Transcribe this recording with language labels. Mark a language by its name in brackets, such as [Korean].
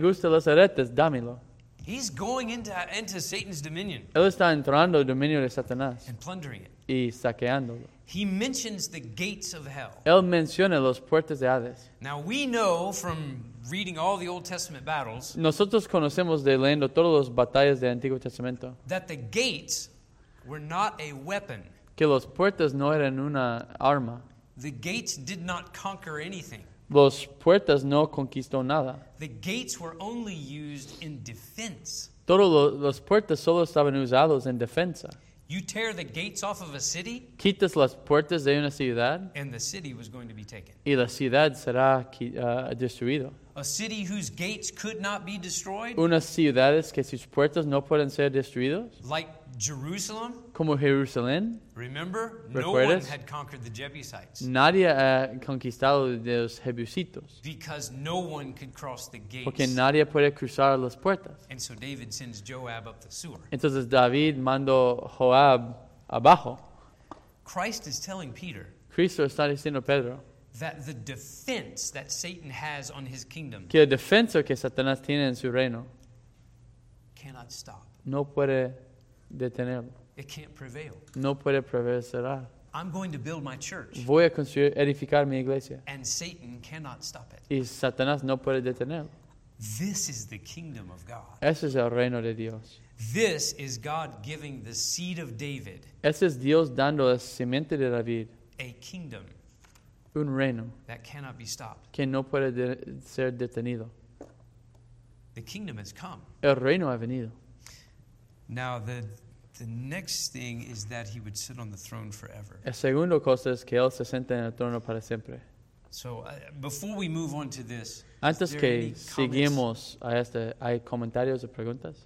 [Spanish] Me gustan las aretes. Dámelo. [English] He's going into Satan's dominion. [Spanish] Él está entrando al dominio de Satanás. [English] And plundering it. [Spanish] Y saqueándolo. [English] He mentions the gates of hell. [Spanish] Él menciona las puertas de Hades. [English] Now we know from reading all the Old Testament battles. [Spanish] Nosotros conocemos de leyendo todas las batallas del Antiguo Testamento. [English] That the gates were not a weapon. [Spanish] Que las puertas no eran una arma. [English] The gates did not conquer anything. [Spanish] Las puertas no conquistó nada. [English] The gates were only used in defense. [Spanish] Todas las puertas solo estaban usadas en defensa. [English] You tear the gates off of a city. [Spanish] Quitas las puertas de una ciudad. [English] And the city was going to be taken. [Spanish] Y la ciudad será destruida. [English] A city whose gates could not be destroyed. [Spanish] Unas ciudades que sus puertas no pueden ser destruidas. [English] Like Jerusalem. [Spanish] Como Jerusalén. [English] Remember, [Spanish] ¿recuerdas? [English] No one had conquered the Jebusites. [Spanish] Nadie ha conquistado los Jebusitos. [English] Because no one could cross the gates. [Spanish] Porque nadie puede cruzar las puertas. [English] And so David sends Joab up the sewer. [Spanish] Entonces David mandó Joab abajo. [English] Christ is telling Peter. [Spanish] Cristo está diciendo a Pedro. [English] That the defense that Satan has on his kingdom. [Spanish] Que la defensa que Satanás tiene en su reino. [English] Cannot stop. [Spanish] No puede detenerlo. [English] It can't prevail. [Spanish] No puede prevalecer. [English] I'm going to build my church. [Spanish] Voy a construir, edificar mi iglesia. [English] And Satan cannot stop it. [Spanish] Y Satanás no puede detenerlo. [English] This is the kingdom of God. [Spanish] Ese es el reino de Dios. [English] This is God giving the seed of David. [Spanish] Ese es Dios dando la simiente de David. [English] A kingdom. [Spanish] Un reino [English] that cannot be stopped. [Spanish] Que no puede ser detenido. [English] The kingdom has come. [Spanish] El reino ha venido. [English] Now the next thing is that he would sit on the throne forever. [Spanish] El segundo cosa es que él se sienta en el trono para siempre. [English] So before we move on to this, [Spanish] antes que seguimos a este, ¿hay comentarios o preguntas?